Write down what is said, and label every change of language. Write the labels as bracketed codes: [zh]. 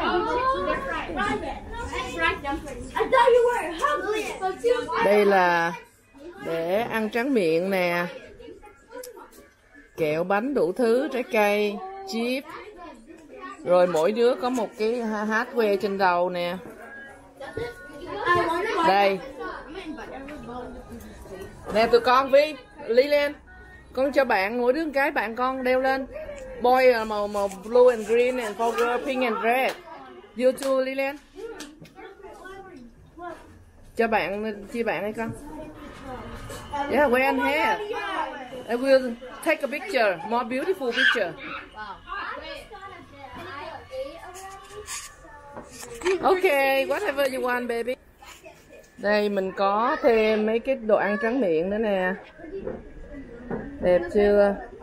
[en] I thought you were hungry. [vi] Đây là để ăn tráng miệng nè. Kẹo bánh đủ thứ, trái cây, chip. Rồi mỗi đứa có một cái hát que trên đầu nè. Đây. Nè tụi con, Vi, Ly lên. Con cho bạn, mỗi đứa cái bạn con đeo lên. [en] Boy [vi] là màu [en] blue and green and for girl pink and red. You too, Ly lên. [vi] Cho bạn, chia bạn đây con. [en] Yeah, wear and hair. I will take a picture, more beautiful picture. Okay, whatever you want, baby. [vi] Đây mình có thêm mấy cái đồ ăn tráng miệng nữa nè. Đẹp chưa?